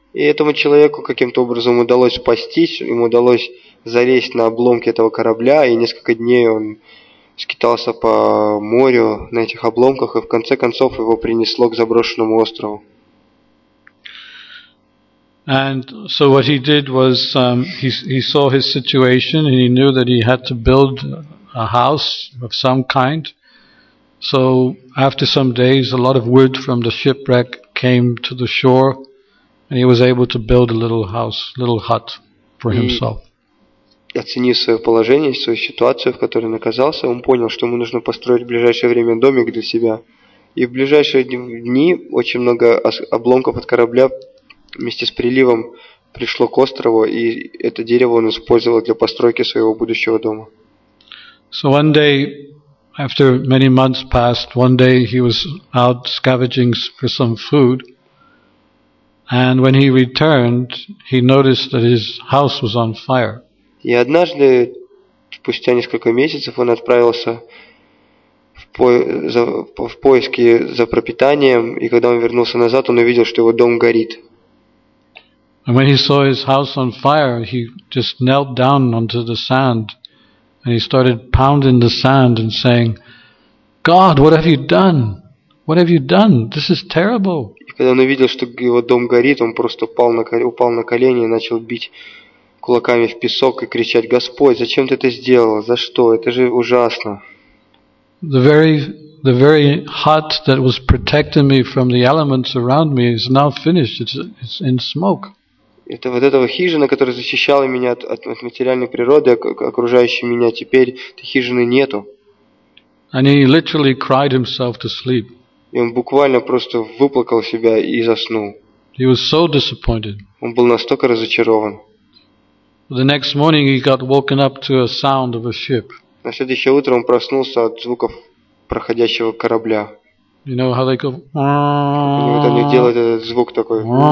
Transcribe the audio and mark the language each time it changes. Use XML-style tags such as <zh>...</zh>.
<ru>И этому человеку каким-то образом удалось спастись, ему удалось залезть на обломки этого корабля, и несколько дней он скитался по морю на этих обломках, и в конце концов его принесло к заброшенному острову.</ru> <en>And so what he did was he saw his situation and he knew that he had to build a house of some kind. So after some days, a lot of wood from the shipwreck came to the shore and he was able to build a little house, little hut for himself.</en> <ru>И оценив свое положение, свою ситуацию, в которой он оказался, он понял, что ему нужно построить в ближайшее время домик для себя. И в ближайшие дни очень много обломков от корабля вместе с приливом пришло к острову, и это дерево он использовал для постройки своего будущего дома.</ru> <en>So one day, after many months passed, one day he was out scavenging for some food, and when he returned, he noticed that his house was on fire.</en> <ru>И однажды, спустя несколько месяцев, он отправился в поиски за пропитанием, и когда он вернулся назад, он увидел, что его дом горит.</ru> <en>And when he saw his house on fire, he just knelt down onto the sand and he started pounding the sand and saying, God, what have you done? What have you done? This is terrible.</en> <ru>И когда он увидел, что его дом горит, он просто упал на колени и начал бить кулаками в песок и кричать, Господь, зачем ты это сделал? За что? Это же ужасно.</ru> <en>The very hut that was protecting me from the elements around me is now finished. It's in smoke.</en> <ru>Это вот эта хижина, которая защищала меня от материальной природы, окружающей меня, теперь этой хижины нету.</ru> <en>And he literally cried himself to sleep.</en> <ru>И он буквально просто выплакал себя и заснул.</ru> <en>He was so disappointed.</en> <ru>Он был настолько разочарован.</ru> <en>The next morning he got woken up to a sound of a ship.</en> <ru>На следующее утро он проснулся от звуков проходящего корабля.</ru> <en>You know how they go?</en> <ru>Вот они делают этот звук такой.</ru>